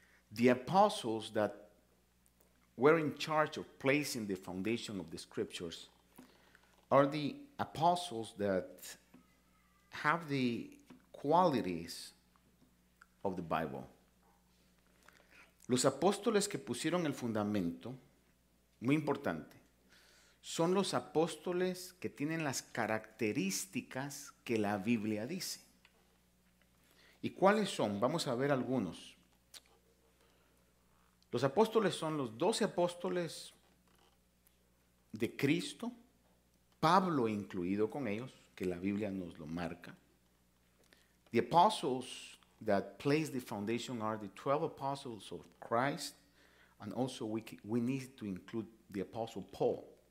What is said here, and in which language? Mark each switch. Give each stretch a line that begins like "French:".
English: The apostles that were in charge of placing the foundation of the scriptures are the apostles that have the qualities of the Bible.
Spanish: Los apóstoles que pusieron el fundamento, muy importante, son los apóstoles que tienen las características que la Biblia dice. ¿Y cuáles son? Vamos a ver algunos. Los apóstoles son los 12 apóstoles de Cristo, Pablo incluido con ellos, que la Biblia nos lo marca.
English: The apostles that place the foundation are the 12 apostles of Christ, and also we need to include the apostle Paul.